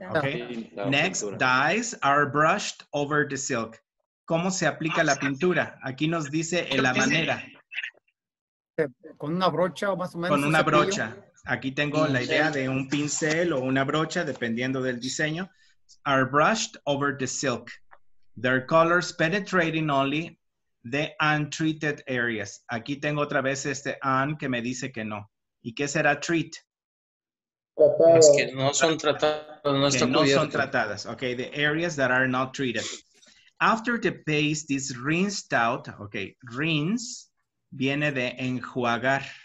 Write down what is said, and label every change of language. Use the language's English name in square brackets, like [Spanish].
[English] Okay. Pintura. Next, dyes are brushed over the silk. [Spanish] ¿Cómo se aplica la pintura? Aquí nos dice en la manera. ¿Con una brocha o más o menos? Con una brocha. Aquí tengo la idea de un pincel o una brocha, dependiendo del diseño. [English] Are brushed over the silk, their colors penetrating only the untreated areas. [Spanish] Aquí tengo otra vez este un que me dice que no. ¿Y qué será treat? Es que no son tratadas. No, que no son tratadas. [English] Okay, the areas that are not treated. After the paste is rinsed out, okay, rinse [Spanish] viene de enjuagar.